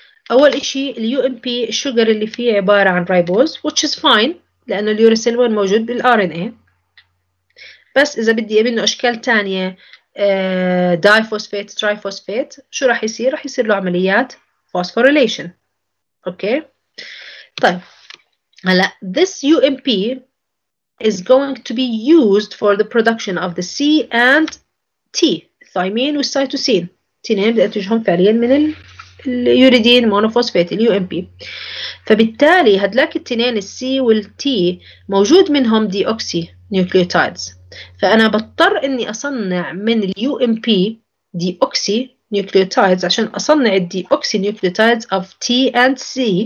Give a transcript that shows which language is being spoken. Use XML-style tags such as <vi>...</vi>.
<ar>اول شيء ال UMP الشجر اللي فيه عباره عن ريبوز</ar> <en>which is fine</en> <ar>لانه اليوريسيل وين موجود بالار ان اي. بس اذا بدي منه اشكال ثانيه داي فوسفات تراي فوسفات شو راح يصير؟ راح يصير له عمليات فوسفوريليشن. اوكي طيب هلا</ar> <en>this UMP is going to be used for the production of the C and T, thymine with cytosine.</en> <ar>تنين بدأت تجهم فعلياً من اليوريدين مونوفوسفات, الـ UMP. فبالتالي هدلاك التنين الـ C والـ T موجود منهم ديوكسي نيوكليوتيدز. فأنا بضطر أني أصنع من الـ UMP ديوكسي نيوكليوتيدز عشان أصنع الديوكسي نيوكليوتيدز</ar> <en>of T and C.</en>